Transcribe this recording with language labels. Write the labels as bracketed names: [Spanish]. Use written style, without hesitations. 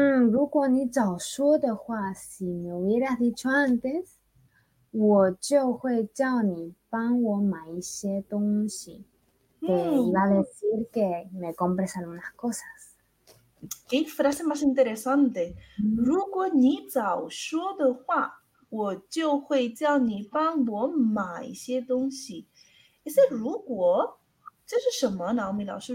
[Chinese] 如果你早说的话 [Spanish] si me hubieras dicho antes, [Chinese] 我就会叫你帮我买一些东西。 [Spanish] Te iba a decir que me compres algunas cosas. ¿Qué frase más interesante? [Chinese] 如果你早说的话，我就会叫你帮我买一些东西。 Ese 如果，这是什么，Naomi 老师？